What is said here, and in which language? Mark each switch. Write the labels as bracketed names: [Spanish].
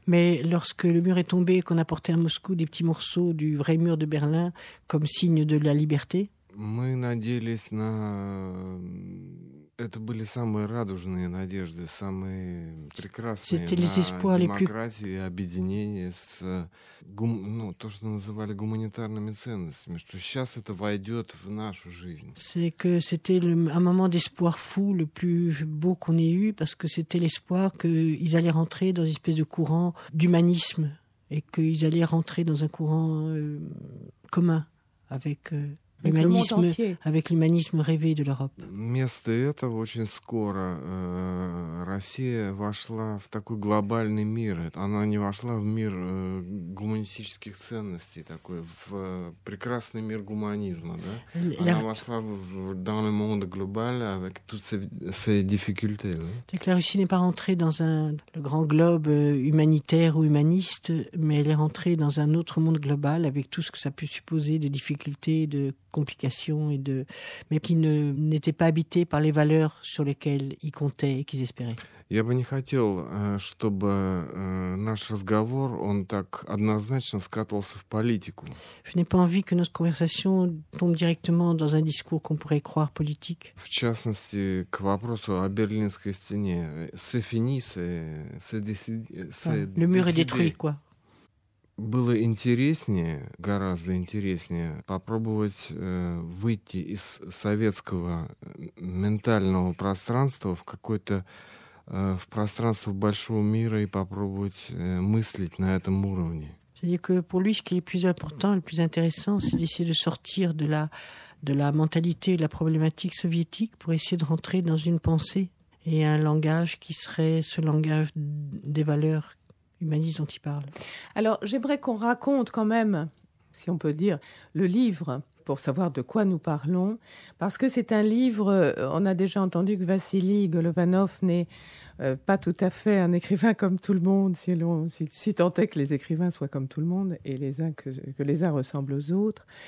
[French] Mais lorsque le mur est tombé et qu'on a porté à Moscou des petits morceaux du vrai mur de Berlin comme signe de la liberté. [Russian] Мы надеялись на это были самые радужные надежды, самые прекрасные. [French] C'était les espoirs les plus. [Russian] Демократия, объединение с то, что называли гуманитарными ценностями, что сейчас это войдет в нашу жизнь. [French] C'est que c'était un moment d'espoir fou, le plus beau qu'on ait eu, parce que c'était l'espoir qu'ils allaient rentrer dans une espèce de courant d'humanisme et qu'ils allaient rentrer dans un courant commun avec L'humanisme, avec l'humanisme rêvé de l'Europe. [Russian] Вместо этого очень скоро Россия вошла в такой глобальный мир. Она не вошла в мир гуманистических ценностей такой, в прекрасный мир гуманизма, да? Она вошла [French] dans le monde global avec toutes ses difficultés. Donc la Russie n'est pas rentrée dans le grand globe humanitaire ou humaniste, mais elle est rentrée dans un autre monde global avec tout ce que ça peut supposer de difficultés, de complications et de, mais qui ne n'était pas habité par les valeurs sur lesquelles ils comptaient et qu'ils espéraient. [Russian] Я бы не хотел, чтобы наш разговор он так однозначно скатывался в политику. [French] Je n'ai pas envie que notre conversation tombe directement dans un discours qu'on pourrait croire politique. [Russian] В частности, к вопросу о Берлинской стене, [French] c'est fini, c'est le mur est détruit, quoi. [Russian] Было интереснее, гораздо интереснее попробовать выйти из советского ментального пространства в какой-то в пространство большого мира и попробовать мыслить на этом уровне. [French] C'est-à-dire que pour lui, ce qui est le plus important, le plus intéressant, c'est d'essayer de sortir de la mentalité, de la problématique soviétique pour essayer de rentrer dans une pensée et un langage qui serait ce langage des valeurs humanistes dont il parle. Alors, j'aimerais qu'on raconte quand même, si on peut dire, le livre pour savoir de quoi nous parlons, parce que c'est un livre, on a déjà entendu que Vassili Golovanov n'est pas tout à fait un écrivain comme tout le monde, si tant est que les écrivains soient comme tout le monde et les uns que les uns ressemblent aux autres.